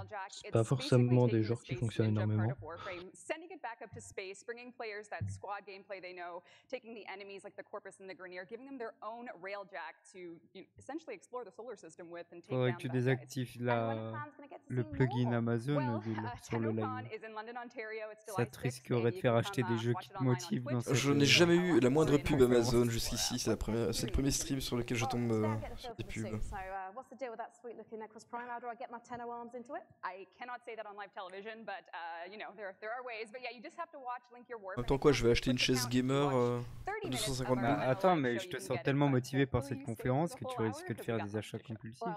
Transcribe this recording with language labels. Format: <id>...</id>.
<fr>C'est pas forcément des joueurs qui fonctionnent énormément.</fr> <en>Sending it back up to space, bringing players that squad gameplay they know, taking the enemies like the Corpus and the Grenier, giving them their own railjack to essentially explore the solar system with and take down.</en> <fr>Tu désactives le plugin Amazon sur le live. Ça te risquerait de faire acheter des jeux qui te motivent dans cette. Je n'ai jamais eu la moindre pub Amazon jusqu'ici, c'est le premier stream sur lequel je tombe sur des pubs.</fr> <en>What's the deal with that sweet looking Necros Prime? How do I get my tenno arms into it? I cannot say that on live television, but you know, there are ways. But yeah, you just have to watch Link Your Warframe.</en> <fr>Attends quoi, je vais acheter une chaise gamer 250€. Attends, mais je te sens tellement motivé par cette conférence que tu risques de faire des achats compulsifs.</fr>